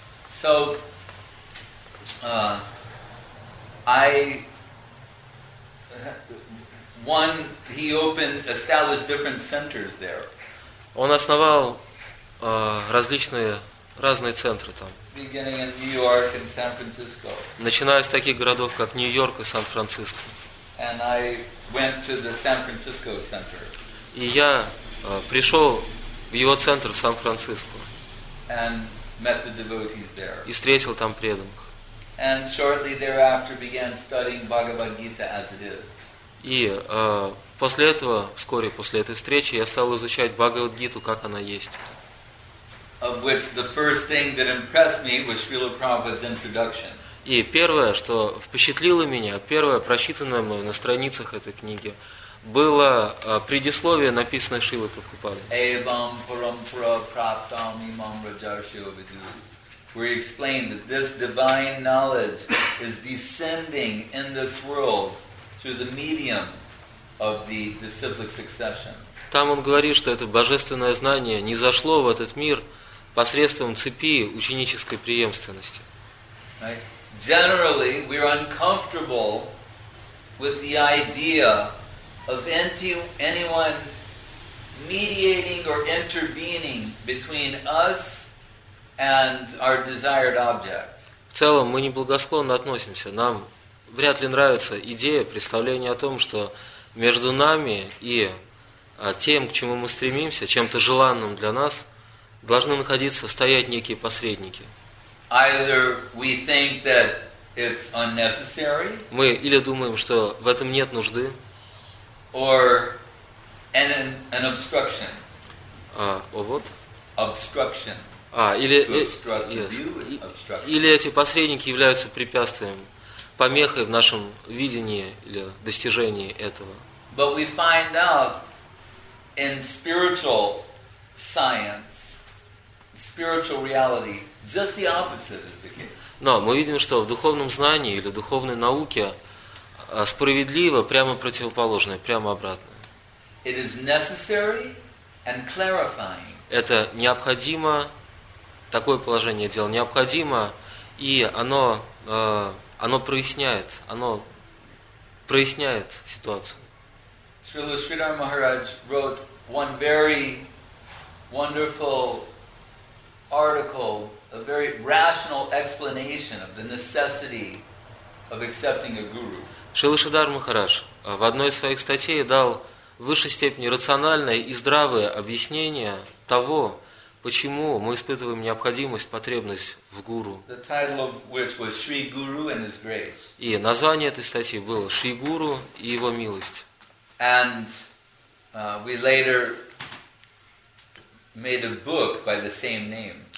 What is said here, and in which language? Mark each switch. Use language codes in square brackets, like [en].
[en] So, he opened, established different centers there. [ru] Он основал разные центры там. [en] Beginning in New York and San Francisco. [ru] Начиная с таких городов, как Нью-Йорк и Сан-Франциско. [en] And I went to the San Francisco center. [ru] И я пришел в его центр в Сан-Франциско. [en] And met the devotees there. [ru] И встретил там преданных. [en] And shortly thereafter began studying Bhagavad Gita as it is. [ru] И после этого, вскоре после этой встречи, я стал изучать Бхагавад Гиту, как она есть. [en] Of which the first thing that impressed me was Srila Prabhupada's introduction. [ru] И первое, что впечатлило меня, первое, прочитанное мной на страницах этой книги, было предисловие, написанное Шрилой Прабхупадой. [sa] Evam parampara praptam imam rajarshyo vidu. [en] Where he explained that this divine knowledge is descending in this world through the medium of the disciplic succession. [ru] Там он говорит, что это божественное знание не зашло в этот мир посредством цепи ученической преемственности. [en] Generally, we're uncomfortable with the idea of anyone mediating or intervening between us and our desired object. [ru] целом мы неблагосклонно относимся. Нам вряд ли нравится идея, представление о том, что между нами и тем, к чему мы стремимся, чем-то желанным для нас, должны находиться, стоять некие посредники. Мы или думаем, что в этом нет нужды, или эти посредники являются препятствием, помехой в нашем видении или достижении этого. [en] But we find out in spiritual science, spiritual reality, just the opposite is the case. [ru] Но мы видим, что в духовном знании или духовной науке справедливо прямо противоположное, прямо обратное. [en] It is necessary and clarifying. [ru] Это необходимо, такое положение дел необходимо, и оно проясняет, оно проясняет ситуацию. [en] Srila Sridhar Maharaj wrote one very wonderful article, a very rational explanation of the necessity of accepting a guru. [ru] Srila Sridhar Maharaj в одной из своих статей дал в высшей степени рациональное и здравое объяснение того, почему мы испытываем необходимость, потребность в гуру. [en] The title of which was Shri Guru and His Grace. [ru] И название этой статьи было «Шри Гуру и Его милость». [en] And we later made a book by the same name.